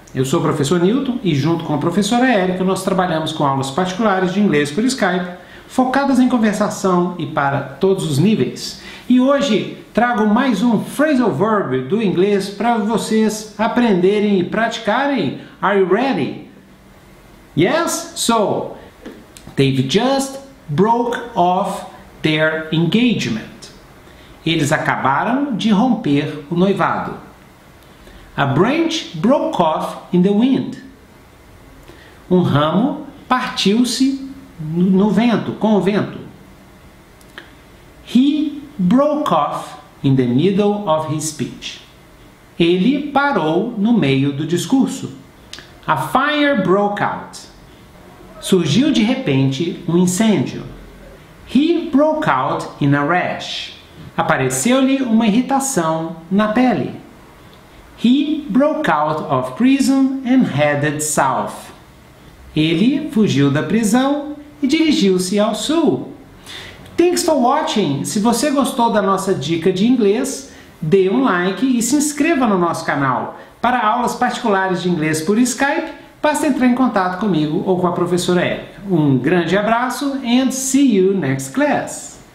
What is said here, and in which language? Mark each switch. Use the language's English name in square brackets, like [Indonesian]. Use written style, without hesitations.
[Portuguese] Eu sou o professor Newton e junto com a professora Erica nós trabalhamos com aulas particulares de inglês por Skype, focadas em conversação e para todos os níveis. E hoje trago mais um phrasal verb do inglês para vocês aprenderem e praticarem. [English] Are you ready? Yes? So, they've just broke off their engagement. [Portuguese] Eles acabaram de romper o noivado. [English] A branch broke off in the wind. [Portuguese] Um ramo partiu-se no vento, com o vento. [English] He broke off in the middle of his speech. [Portuguese] Ele parou no meio do discurso. [English] A fire broke out. [Portuguese] Surgiu de repente um incêndio. [English] He broke out in a rash. [Portuguese] Apareceu-lhe uma irritação na pele. [English] He broke out of prison and headed south. [Portuguese] Ele fugiu da prisão e dirigiu-se ao sul. [English] Thanks for watching. [Portuguese] Se você gostou da nossa dica de inglês, dê um like e se inscreva no nosso canal. Para aulas particulares de inglês por Skype, basta entrar em contato comigo ou com a professora Erica. Um grande abraço [English] and see you next class.